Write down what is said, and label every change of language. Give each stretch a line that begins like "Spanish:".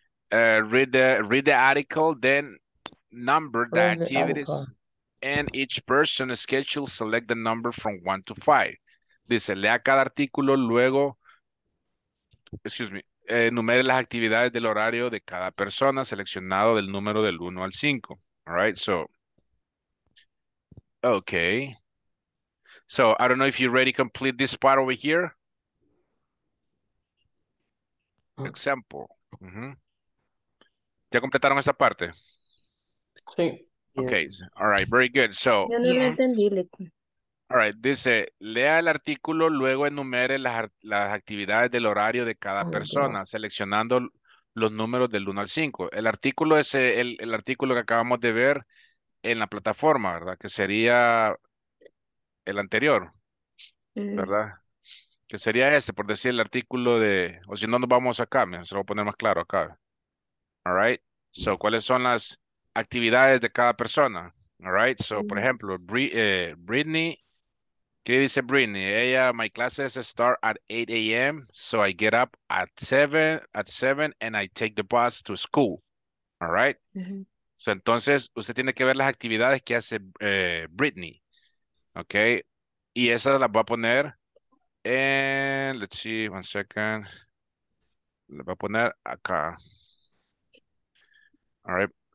English: Read the article, then number the activities, and each person schedule, select the number from 1 to 5.
Spanish: Dice, lea cada artículo, luego, enumere las actividades del horario de cada persona seleccionado del número del 1 al 5.
English: All right, so, okay. So, I don't know if you already complete this part over here. Example.
Spanish: ¿Ya completaron esta parte? Sí.
English: Okay, yes. All right, very good. So,
Spanish: yo no lo entendí, Leti.
English: All right,
Spanish: dice, lea el artículo, luego enumere las actividades del horario de cada persona, seleccionando los números del 1 al 5. El artículo es el artículo que acabamos de ver en la plataforma, ¿verdad? Que sería el anterior, ¿verdad? Que sería este, por decir, el artículo de, o si no, nos vamos acá, se lo voy a poner más claro acá.
English: All right, so,
Spanish: ¿cuáles son las actividades de cada persona?
English: All right, so
Spanish: por ejemplo, Brittany, ¿qué dice Brittany?
English: Ella, my classes start at 8 a.m., so I get up at 7 and I take the bus to school. All right?
Spanish: So entonces, usted tiene que ver las actividades que hace Brittany. Ok, y esa la va a poner en,
English: let's see, one second.
Spanish: La va a poner acá.
English: All right.